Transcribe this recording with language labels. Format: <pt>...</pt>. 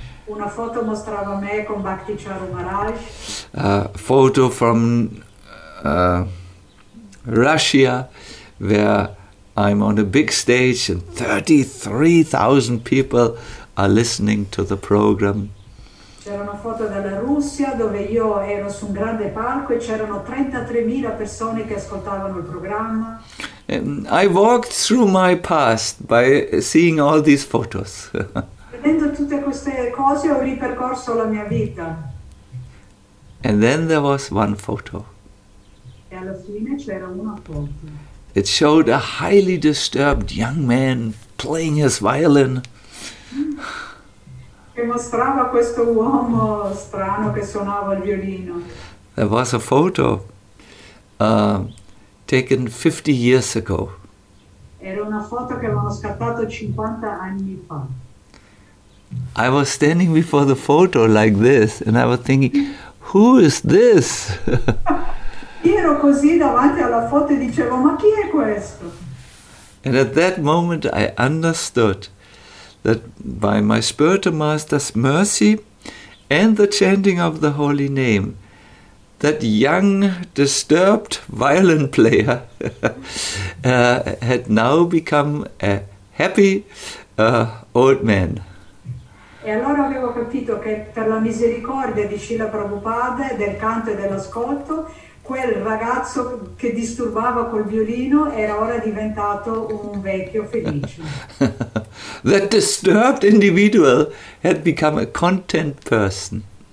<it>Una foto mostrava me con Bhakti Charu Maharaj.</it> <en>A photo from Russia, where I'm on a big stage and 33,000 people are listening to the program.</en> <it>C'era una foto dalla Russia dove io ero su un grande palco e c'erano 33.000 persone che ascoltavano il programma.</it> <en>And I walked through my past by seeing all these photos.</en> <it>Vedendo tutte queste cose ho ripercorso la mia vita.</it> <en>And then there was one photo.</en> <it>E alla fine c'era una foto.</it> <en>It showed a highly disturbed young man playing his violin.</en> <it>Che mostrava questo uomo strano che suonava il violino.</it> <en>There was a photo taken 50 years ago.</en> <it>Era una foto che avevano scattato 50 anni fa.</it> <en>I was standing before the photo like this and I was thinking, who is this?</en> <it>Io ero così davanti alla foto e dicevo, ma chi è questo?</it> <en>And at that moment I understood that by my spiritual master's mercy and the chanting of the holy name, that young, disturbed violin player had now become a happy old man.</en> <it>E allora avevo capito che per la misericordia di Srila Prabhupada, del canto e dell'ascolto, quel ragazzo che disturbava col violino era ora diventato un vecchio felice.</it> <en>That disturbed individual had become a content person.</en>